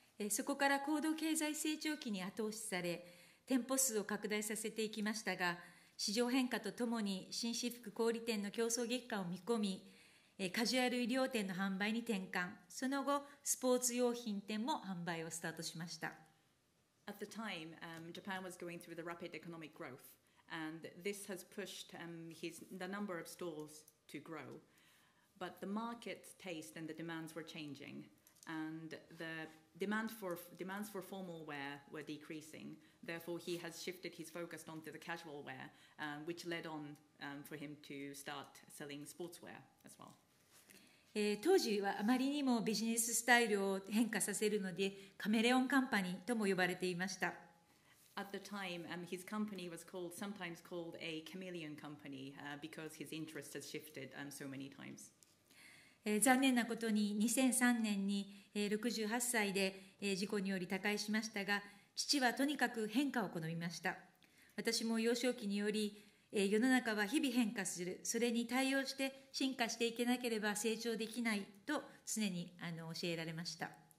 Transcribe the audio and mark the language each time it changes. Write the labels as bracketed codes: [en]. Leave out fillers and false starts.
[ja] そこから高度経済成長期に後押しされ、店舗数を拡大させていきましたが、市場変化とともに紳士服小売店の競争激化を見込み、カジュアル衣料店の販売に転換、その後スポーツ用品店も販売をスタートしました。 [en] At the time, Japan was going through the rapid economic growth, and this has pushed the number of stores to grow. But the market taste and the demands were changing, and the demands for formal wear were decreasing. Therefore, he has shifted his focus onto the casual wear, which led on for him to start selling sportswear as well. [ja] 当時はあまりにもビジネススタイルを変化させるので、カメレオンカンパニーとも呼ばれていました。 [en] At the time, his company was sometimes called a chameleon company, because his interest has shifted so many times. [ja] 残念なことに2003年に68歳で事故により他界しましたが、父はとにかく変化を好みました。私も幼少期により、世の中は日々変化する。それに対応して進化していけなければ成長できないと常に教えられました。